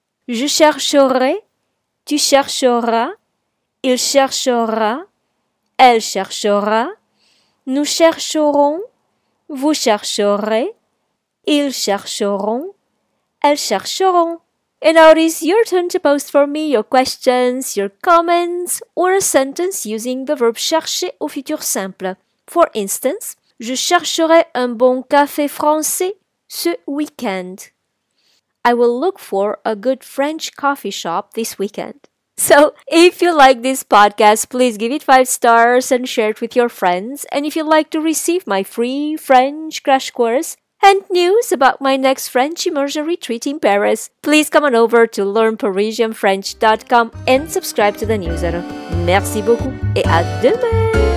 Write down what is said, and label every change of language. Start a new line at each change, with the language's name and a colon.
French: Je chercherai, tu chercheras, il cherchera, elle cherchera, nous chercherons, vous chercherez, ils chercheront, elles chercheront.
English: And now it is your turn to post for me your questions, your comments, or a sentence using the verb
French: chercher au futur simple.
English: For instance,
French: je chercherai un bon café français ce weekend.
English: I will look for a good French coffee shop this weekend. So, if you like this podcast, please give it 5 stars and share it with your friends. And if you'd like to receive my free French crash course and news about my next French immersion retreat in Paris, please come on over to learnparisianfrench.com and subscribe to the newsletter.
French: Merci beaucoup et à demain!